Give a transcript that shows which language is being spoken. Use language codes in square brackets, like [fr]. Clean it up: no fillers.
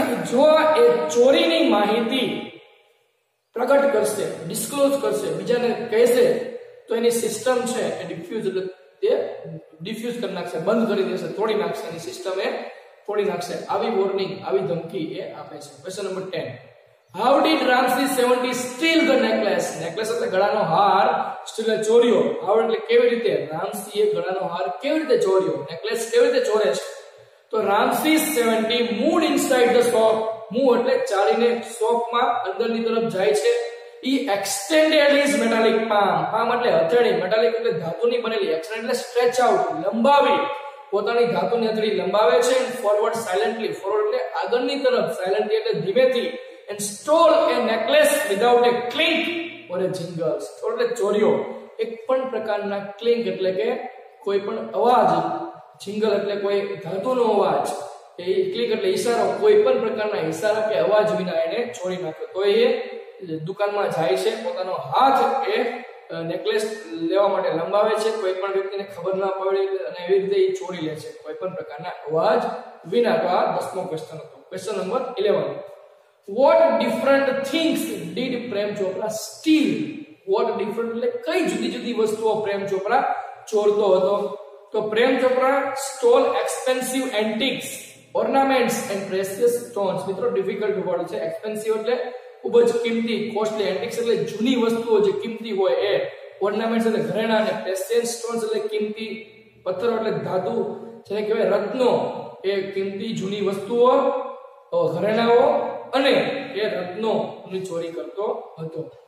[gu] જો એ ચોરીની માહિતી પ્રગટ કરશે, ડિસ્ક્લોઝ કરશે, બીજાને કહેશે તો એની સિસ્ટમ છે એ ડિફ્યુઝ એટલે તે ડિફ્યુઝ કરી નાખશે, બંધ કરી દેશે, તોડી નાખશે, એની સિસ્ટમ એ તોડી નાખશે. આવી વોર્નિંગ, આવી ધમકી એ આપે છે. [en] Question number 10 How did Ram Singh-070 steal the necklace? [gu] Necklace એટલે ગળાનો હાર સ્ટીલ ચોર્યો. How એટલે કેવી રીતે Ram Singh-એ ગળાનો હાર કેવી રીતે ચોર્યો? Necklace કેવી રીતે ચોરે છે? [en] તો Ram Singh-070 moved inside the shop. [gu] Move એટલે ચાલીને શોપમાં અંદરની તરફ જાય છે. [en] He extended his metallic palm. [gu] Palm એટલે હથેળી, metallic એટલે ધાતુની બનેલી, extend એટલે [en] stretch out, [gu] લંબાવી. પોતાની ધાતુની હથેળી લંબાવે છે [en] and forward silently. [gu] Forward એટલે આગળની તરફ, silently એટલે ધીમેથી. [en] And stole a necklace without a clink or a jingle. [gu] એટલે ચોર્યો એક પણ પ્રકારના ક્લિંક એટલે કે કોઈ પણ અવાજ, જિંગલ એટલે કોઈ ધાતુનો અવાજ, એ ક્લિંક એટલે ઇશારો, કોઈ પણ પ્રકારના ઇશારા કે અવાજ વિના એને ચોરી નાખ્યો. તો એ દુકાનમાં જાય છે, પોતાનો હાથ એ નેકલેસ લેવા માટે લંબાવે છે, કોઈ પણ વ્યક્તિને ખબર ના પડે અને એવી રીતે એ ચોરી લે છે કોઈ પણ પ્રકારના અવાજ વિના. તો આ 10મો ક્વેશ્ચન હતો. [en] Question number 11 What different things did Prem Chopra steal? What different [gu] એટલે કઈ જુદી જુદી વસ્તુઓ પ્રેમ ચોપરા ચોરતો હતો? [en] તો Prem Chopra stole expensive antiques, ornaments and precious stones. [gu] મિત્રો ડિફિકલ્ટ વર્ડ છે એક્સપેન્સિવ એટલે ખૂબ જ કિંમતી, કોસ્ટલી. એન્ટિક્સ એટલે જૂની વસ્તુઓ જે કિંમતી હોય એ, ઓર્નામેન્ટ્સ એટલે ઘરેણા અને પ્રેશિયસ સ્ટોન્સ એટલે કિંમતી પથ્થરો એટલે ધાતુ, જેને કહેવાય રત્નો, એ કિંમતી જૂની વસ્તુઓ, ઘરેણાઓ અને એ રત્નો ની ચોરી કરતો હતો.